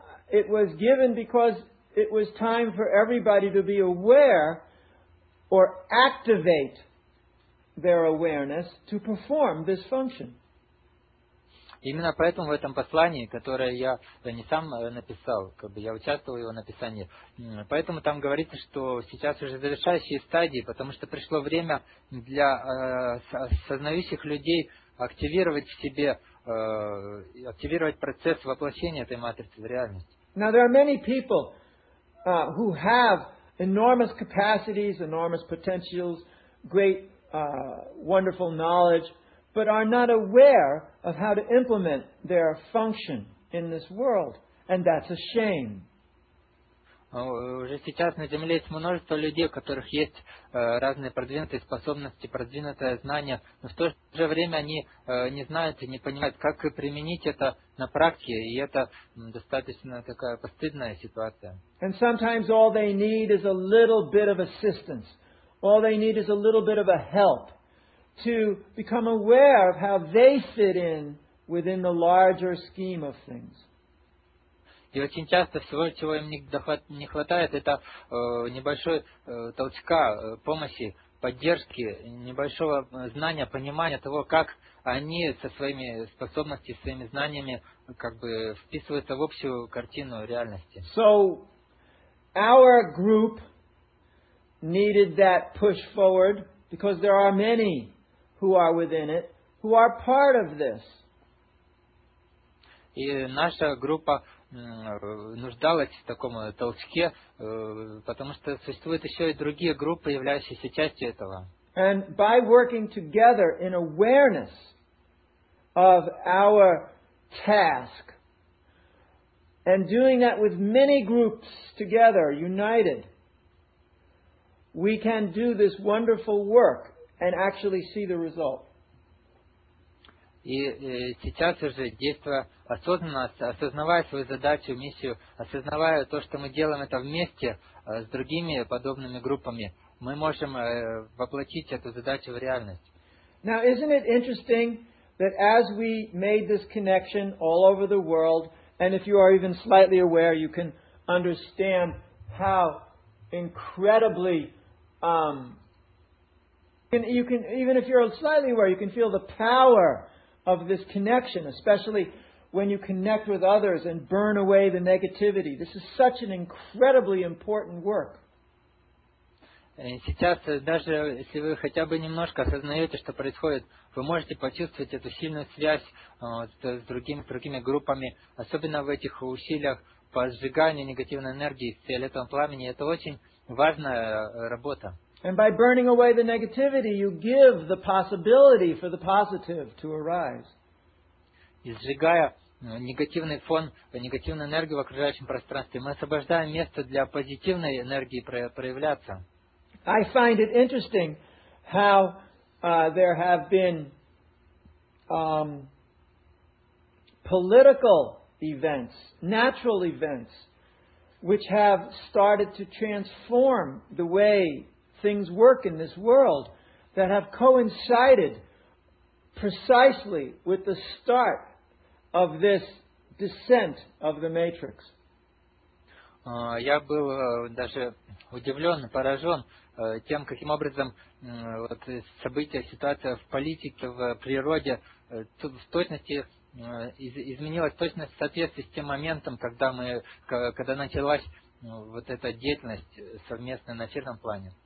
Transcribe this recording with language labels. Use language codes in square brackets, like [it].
[en] It was given because it was time for everybody to be aware or activate their awareness to perform this function. [ru] Именно поэтому в этом послании, которое я не сам написал, как бы я участвовал в его написании, поэтому там говорится, что сейчас уже завершающие стадии, потому что пришло время для осознающих людей активировать в себе, активировать процесс воплощения этой матрицы в реальность. [en] Now there are many people who have enormous capacities, enormous potentials, great wonderful knowledge, but are not aware of how to implement their function in this world. And that's a shame. [ru] Уже сейчас на Земле есть множество людей, у которых есть разные продвинутые способности, продвинутое знание, но в то же время они не знают и не понимают, как применить это на практике, и это достаточно такая постыдная ситуация. [en] And sometimes all they need is a little bit of assistance. All they need is a little bit of a help to become aware of how they fit in within the larger scheme of things. [ru] И очень часто всего, чего им не хватает, это небольшой толчка, помощи, поддержки, небольшого знания, понимания того, как они со своими способностями, своими знаниями как бы вписываются в общую картину реальности. [en] So, our group needed that push forward because there are many who are within it, who are part of this. [ru] И наша группа нуждалась в таком толчке, потому что существуют еще и другие группы, являющиеся частью этого. [en] And by working together in awareness of our task, and doing that with many groups together, united, we can do this wonderful work and actually see the result. [ru] И сейчас уже действуя осознанно, осознавая свою задачу, миссию, осознавая то, что мы делаем это вместе с другими подобными группами, мы можем воплотить эту задачу в реальность. [en] Now, isn't it interesting that as we made this connection all over the world, and if you are even slightly aware, you can understand how incredibly you can even if you're slightly aware, you can feel the power of this connection, especially when you connect with others and burn away the negativity. This is such an incredibly important work. [ru] сейчас, даже если вы хотя бы немножко осознаете, что происходит, вы можете почувствовать эту сильную связь с другими группами, особенно в этих усилиях по сжиганию негативной энергии с фиолетовым пламени. Это очень важная работа. [en] And by burning away the negativity, you give the possibility for the positive to arise. [ru] И сжигая негативный фон, негативную энергию в окружающем пространстве, мы освобождаем место для позитивной энергии проявляться. [en] I find it interesting how there have been political events, natural events, which have started to transform the way things work in this world, that have coincided precisely with the start of this descent of the matrix. [ru] Я был даже удивлен, поражен тем, каким образом вот события, ситуация в политике, в природе в точности изменилась, точность в соответствии с тем моментом, когда началась вот эта деятельность совместная на черном плане.